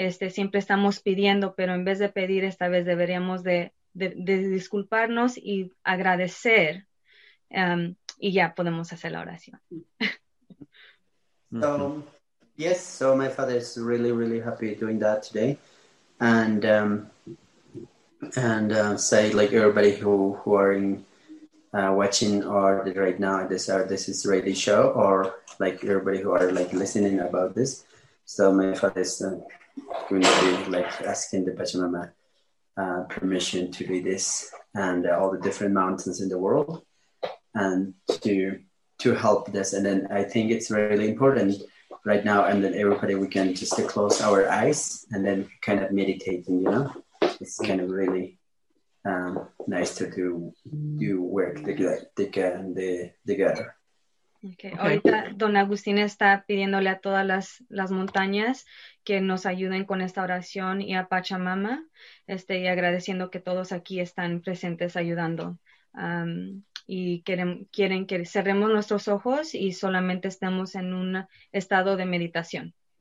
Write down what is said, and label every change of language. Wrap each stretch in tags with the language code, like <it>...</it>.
<es>Siempre estamos pidiendo, pero en vez de pedir, esta vez deberíamos de disculparnos y agradecer, y ya podemos hacer la oración.</es> <en>So, yes, so my father is really, really happy doing that today. And and say, like, everybody who are in watching or right now this is radio show, or like everybody who are like listening about this. So my father is going to be like asking the Pachamama permission to do this and all the different mountains in the world, and to help this. And then I think it's really important right now, and then everybody, we can just close our eyes and then kind of meditate, and, you know, it's kind of really nice to do work together. Okay.</en> <es>Okay, ahorita Don Agustín está pidiéndole a todas las montañas que nos ayuden con esta oración, y a Pachamama, y agradeciendo que todos aquí están presentes ayudando. Y quieren que cerremos nuestros ojos y solamente estemos en un estado de meditación.</es>